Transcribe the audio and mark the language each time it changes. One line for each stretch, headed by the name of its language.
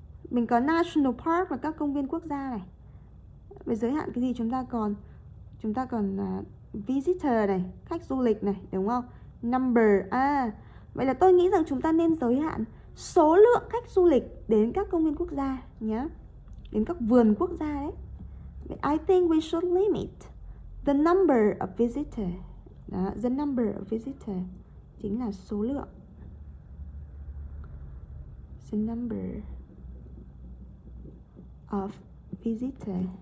Vietnamese: Mình có national park và các công viên quốc gia này. Về giới hạn cái gì chúng ta còn? Chúng ta còn visitor này, khách du lịch này, đúng không? Number, à. Vậy là tôi nghĩ rằng chúng ta nên giới hạn số lượng khách du lịch đến các công viên quốc gia nhé. Đến các vườn quốc gia đấy.
English: I think we should limit the number of visitor.
Vietnamese: Đó,
English: the number of visitor
Vietnamese: chính là số lượng.
English: The number of visitor.